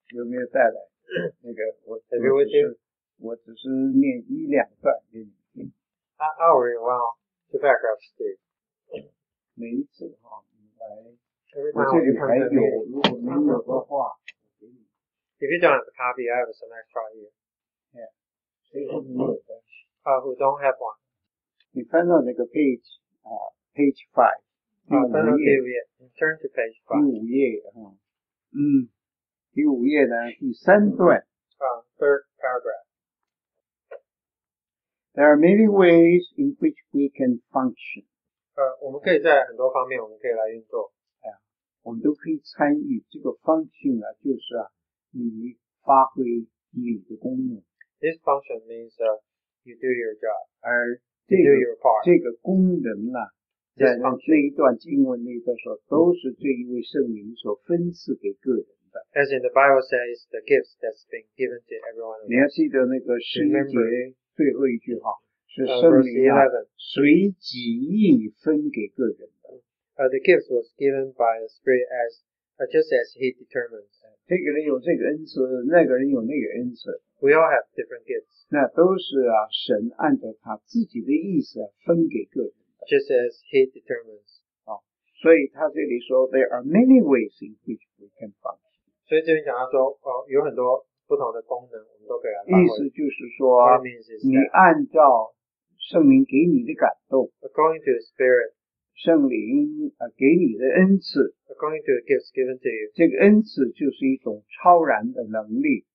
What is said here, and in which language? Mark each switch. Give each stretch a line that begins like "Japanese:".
Chinese: 有没有带来？那个我只是我只是念一两段给你听。
English: I'll rewind to back up, Steve.
Chinese: 每一次哈，你来，我这里还有，如果没有的话，我给你。
English: If you don't have a copy, I have some extra here.
Chinese: Yeah. 谁说你有的？
English: Who don't have one?
Chinese: 你翻到那个 page 啊、，page five。第五页，第五页呢，第三段。
English: Third paragraph. There are many ways in which we can function.
Chinese: 我们可以在很多方面，我们可以来运作。我们都可以参与这个 function 啊，就是啊，你发挥你的功能。
English: This function means you do your job.
Chinese: 而这个 这个功能呢、啊？在那一段经文那一段说，都是这一位圣灵所分赐给个人的。
English: As in the Bible says, the gifts that's been given to everyone.
Chinese: 你要记得那个十一节最后一句哈，是圣灵啊，随己意分给个人的。
English: The gifts was given by the Spirit as just as He determines.
Chinese: 这个人有这个恩赐，那个人有那个恩赐。
English: We all have different gifts.
Chinese: 那都是啊，神按照他自己的意思分给个人。
English: Just as he determines.
Chinese: 所以他这里说
English: there are many ways in which we can function.
Chinese: 所以这边讲到说、有很多不同的功能我们都可以来发挥。意思就是说你按照圣灵给你的感动。
English: According to the Spirit.
Chinese: 圣灵、给你的恩赐。
English: According to the gifts given to you.
Chinese: 这个恩赐就是一种超然的能力。